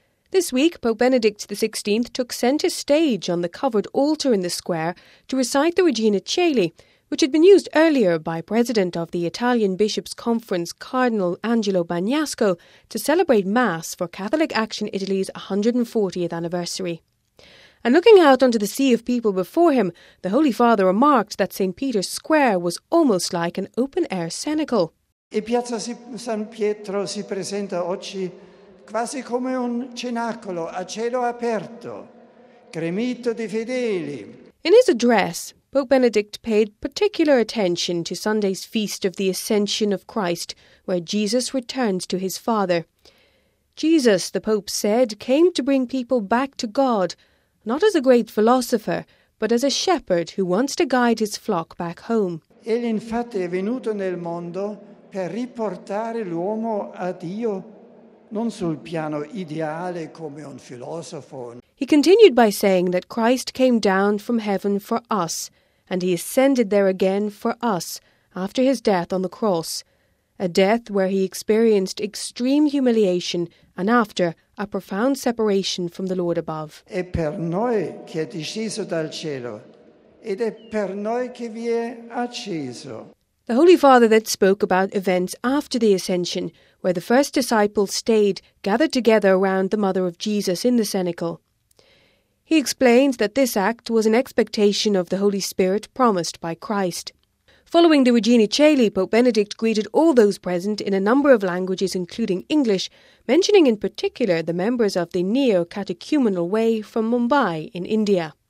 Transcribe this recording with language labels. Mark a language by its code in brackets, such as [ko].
[en] This week, Pope Benedict XVI took centre stage on the covered altar in the square to recite the Regina Caeli, which had been used earlier by President of the Italian Bishops' Conference, Cardinal Angelo Bagnasco, to celebrate Mass for Catholic Action Italy's 140th anniversary. And looking out onto the sea of people before him, the Holy Father remarked that St. Peter's Square was almost like an open-air cenacle. [it] E Piazza San Pietro si presenta oggi quasi come un cenacolo a cielo aperto, gremito di fedeli. [en] In his address, Pope Benedict paid particular attention to Sunday's feast of the Ascension of Christ, where Jesus returns to his Father. Jesus, the Pope said, came to bring people back to God, not as a great philosopher, but as a shepherd who wants to guide his flock back home. [it] Egli infatti è venuto nel mondo per riportare l'uomo a Dio, non sul piano ideale come un filosofo. [en] He continued by saying that Christ came down from heaven for us, and he ascended there again for us after his death on the cross, a death where he experienced extreme humiliation and after a profound separation from the Lord above. [it] È per noi che è disceso dal cielo, ed è per noi che vi è acceso. [en] The Holy Father then spoke about events after the Ascension, where the first disciples stayed, gathered together around the Mother of Jesus in the cenacle. He explains that this act was an expectation of the Holy Spirit promised by Christ. Following the Regina Caeli, Pope Benedict greeted all those present in a number of languages, including English, mentioning in particular the members of the Neo-Catechumenal Way from Mumbai in India.